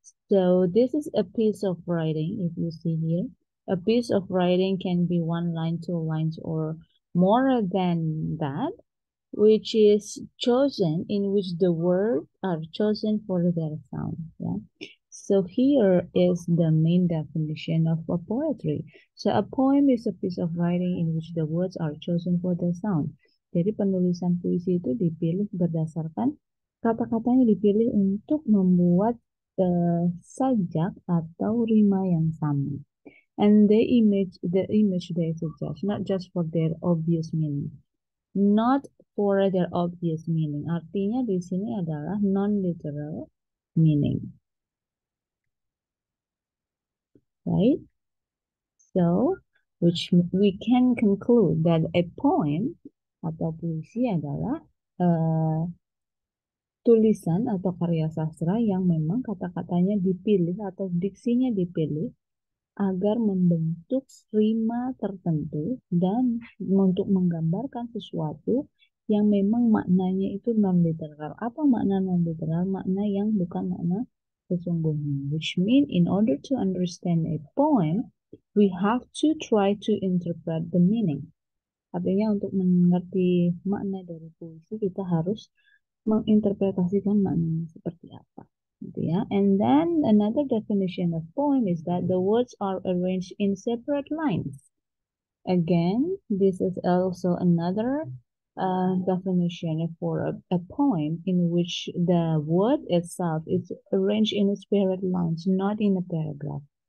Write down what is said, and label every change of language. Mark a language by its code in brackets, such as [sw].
[en] So this is a piece of writing, if you see here. A piece of writing can be one line, two lines, or more than that, which is chosen, in which the words are chosen for their sound. Yeah. So here is the main definition of a poetry. So a poem is a piece of writing in which the words are chosen for the sound. [id] Jadi penulisan puisi itu dipilih berdasarkan kata-katanya dipilih untuk membuat sajak atau rima yang sama. [en] And the image they suggest, not just for their obvious meaning. Not for their obvious meaning. [id] Artinya di sini adalah [en] non-literal meaning. Right, so which we can conclude that a poem [id] atau puisi adalah tulisan atau karya sastra yang memang kata-katanya dipilih atau diksinya dipilih agar membentuk rima tertentu dan untuk menggambarkan sesuatu yang memang maknanya itu non-literal. Apa makna non-literal? Makna yang bukan makna sesungguhnya, [en] which mean in order to understand a poem, we have to try to interpret the meaning. [id] Artinya untuk mengerti makna dari puisi, kita harus menginterpretasikan maknanya seperti apa. Gitu ya. [en] And then another definition of poem is that the words are arranged in separate lines. Again, this is also another definition for a poem in which the word itself is arranged in a separate lines, not in a paragraph.